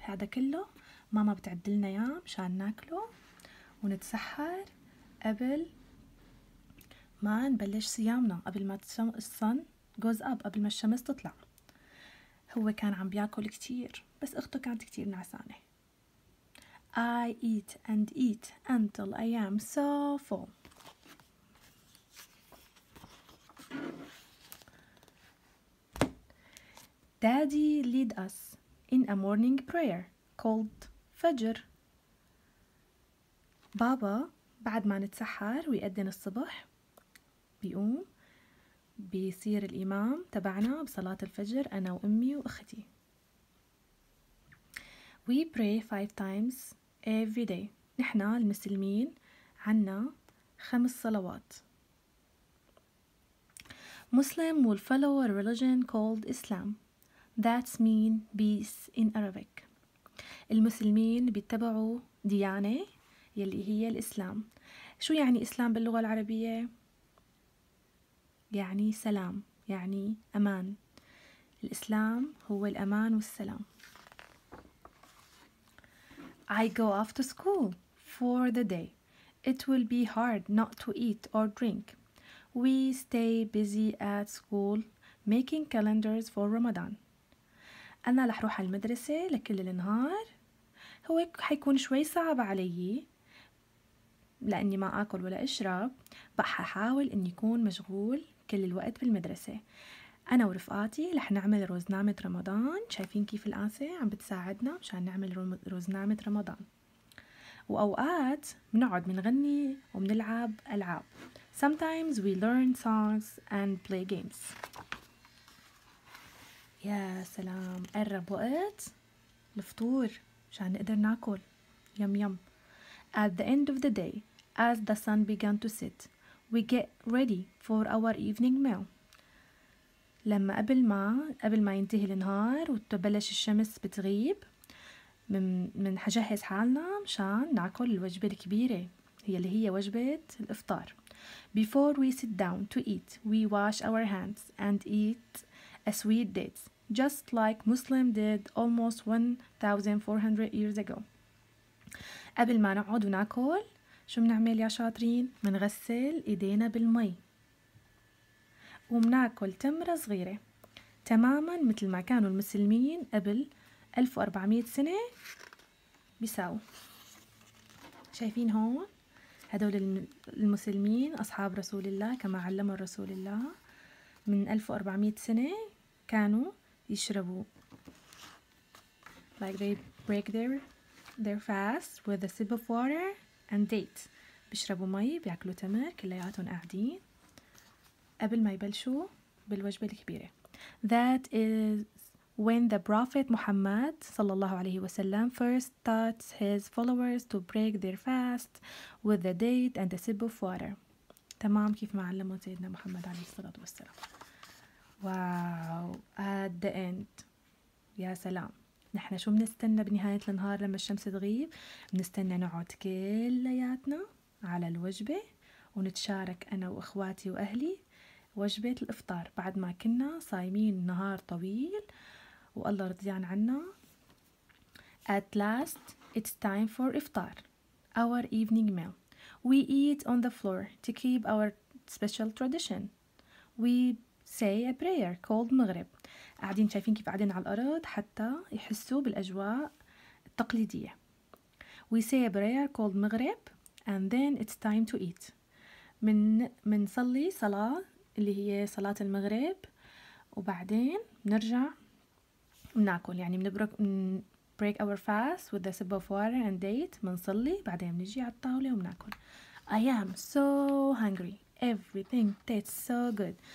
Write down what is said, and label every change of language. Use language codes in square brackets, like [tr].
[ar] هذا كله ماما بتعدلنا اياه مشان ناكله ونتسحر قبل ما نبلش صيامنا قبل ما الصن [en] goes up [ar] قبل ما الشمس تطلع. هو كان عم بياكل كتير بس أخته كانت كتير نعسانة. [en] I eat and eat until I am so full. Daddy lead us in a morning prayer called Fajr. [ar] بابا بعد ما نتسحر ويأذن الصبح بيقوم بيصير الإمام تبعنا بصلاة الفجر أنا وأمي وأختي. [en] We pray 5 times every day. [ar] نحنا المسلمين عنا 5 صلوات. [en] Muslim will follow a religion called Islam. That means peace in Arabic. [ar] المسلمين بيتبعوا ديانة يلي هي الإسلام. شو يعني إسلام باللغة العربية؟ يعني سلام، يعني أمان. الإسلام هو الأمان والسلام. [en] I go off to school for the day. It will be hard not to eat or drink. We stay busy at school making calendars for Ramadan. [ar] أنا رح روح المدرسة لكل النهار. هو حيكون شوي صعب علي لأني ما أكل ولا أشرب، بقى حاول أن يكون مشغول كل الوقت بالمدرسة. أنا ورفقاتي رح نعمل روزنامة رمضان. شايفين كيف الآنسة عم بتساعدنا مشان نعمل روزنامة رمضان. وأوقات منقعد منغني ومنلعب ألعاب. [en] Sometimes we learn songs and play games. [ar] يا سلام، قرب وقت الفطور مشان نقدر ناكل. يم يم. [en] At the end of the day, as the sun began to set, we get ready for our evening meal. [ar] لما قبل ما ينتهي النهار وتبلش الشمس بتغيب، منحجهز حالنا مشان ناكل الوجبة الكبيرة هي اللي هي وجبة الإفطار. [en] Before we sit down to eat, we wash our hands and eat a sweet dates, just like Muslim did almost 1,400 years ago. [ar] قبل ما نقعد وناكل شو منعمل يا شاطرين؟ منغسل ايدينا بالمي ومناكل تمرة صغيرة تماما مثل ما كانوا المسلمين قبل 1400 سنة بيساو. شايفين هون؟ هدول المسلمين أصحاب رسول الله كما علم الرسول الله من 1400 سنة كانوا يشربوا. [en] Like they break their fast with a sip of water and date. [ar] بيشربوا مي بيأكلوا تمر كلياتهم قاعدين قبل ما يبلشوا بالوجبة الكبيرة. [en] That is when the Prophet Muhammad [ar] صلى الله عليه وسلم [en] first taught his followers to break their fast with a date and a sip of water. [ar] تمام كيف ما علمه سيدنا محمد عليه الصلاة والسلام. [en] Wow, at the end. [ar] يا سلام، نحن شو منستنى بنهاية النهار لما الشمس تغيب؟ منستنى نقعد كلياتنا على الوجبة ونتشارك أنا وإخواتي وأهلي وجبة الإفطار بعد ما كنا صايمين نهار طويل والله رضيان عنا. [en] At last, it's time for إفطار, our evening meal. We eat on the floor to keep our special tradition. We say a prayer called مغرب. [ar] قاعدين شايفين كيف قاعدين على الأرض حتى يحسوا بالأجواء التقليدية. [en] We say a prayer called مغرب and then it's time to eat. [ar] منصلي صلاة اللي هي صلاة المغرب وبعدين نرجع ناكل، يعني منبرك [en] break our fast with a sip of water and date. [ar] منصلي بعدين منجي على الطاولة ومناكل. [en] I am so hungry. Everything tastes so good.